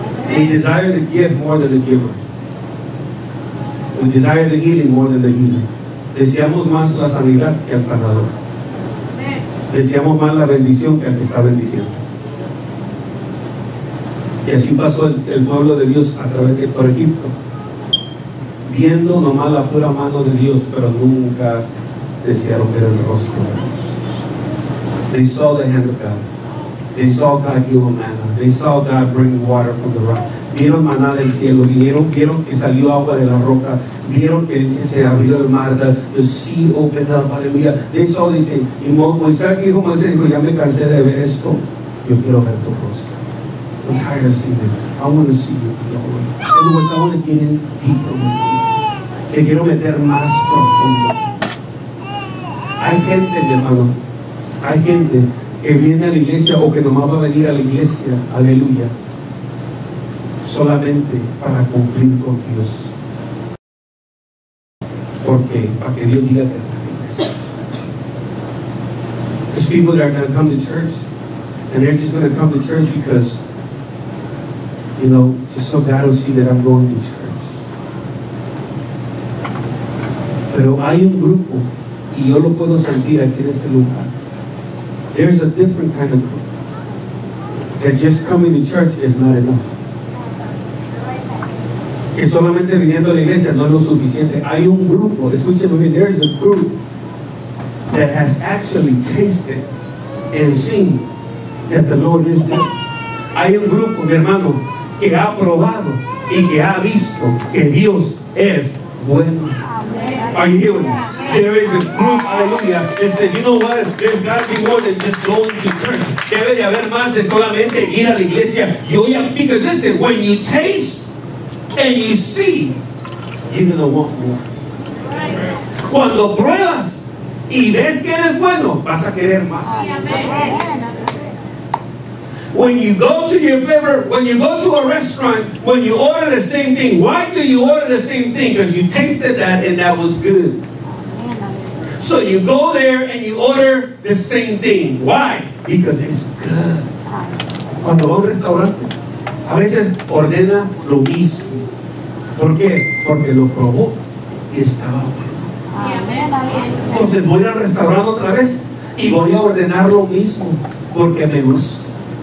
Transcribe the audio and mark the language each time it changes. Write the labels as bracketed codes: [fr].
[en] We desire the gift more than the giver. We desire the healing more than the healer. [es] Deseamos más la sanidad que al sanador. Deseamos más la bendición que al que está bendiciendo. Y así pasó el pueblo de Dios a través de por Egipto, viendo nomás la pura mano de Dios, pero nunca desearon ver el rostro de Dios. [en] They saw the hand of God. They saw God give them manna. They saw God bring water from the rock. [es] Vieron maná del cielo. Vieron que salió agua de la roca. Vieron que se abrió el mar. [en] The sea opened up. Aleluya. They saw this thing. [es] Y Moisés dijo, ya me cansé de ver esto. Yo quiero ver tu rostro. [en] I'm tired of seeing this. I want to see you, Lord. I want to get in deeper with you. [es] Te quiero meter más profundo. Hay gente, mi hermano. Hay gente que viene a la iglesia o que nomás va a venir a la iglesia. Aleluya. Solamente para cumplir con Dios. ¿Por qué? Para que Dios diga que está en la iglesia. [en] Because people that are going to come to church and they're just going to come to church because, you know, just so God will see that I'm going to church. [es] Pero hay un grupo, y yo lo puedo sentir aquí en este lugar. [en] There's a different kind of group. That just coming to church is not enough. [es] Que solamente viniendo a la iglesia no es lo suficiente. Hay un grupo, escúcheme bien, [en] there is a group that has actually tasted and seen that the Lord is there. [es] Hay un grupo, mi hermano, que ha probado y que ha visto que Dios es bueno. [en] Are you hearing me? There is a group, aleluya, that says, you know what, there's got to be more than just going to church. [es] Debe de haber más de solamente ir a la iglesia. [en] Yo ya, because listen, when you taste and you see, you're going to want more. [es] Cuando pruebas y ves que eres bueno, vas a querer más. [en] When you go to your favorite, when you go to a restaurant, when you order the same thing, why do you order the same thing? Because you tasted that and that was good. So you go there and you order the same thing. Why? Because it's good. [es] Cuando va a un restaurante, a veces ordena lo mismo. ¿Por qué? Porque lo probó y estaba bueno. Entonces voy al restaurante otra vez y voy a ordenar lo mismo porque me gusta.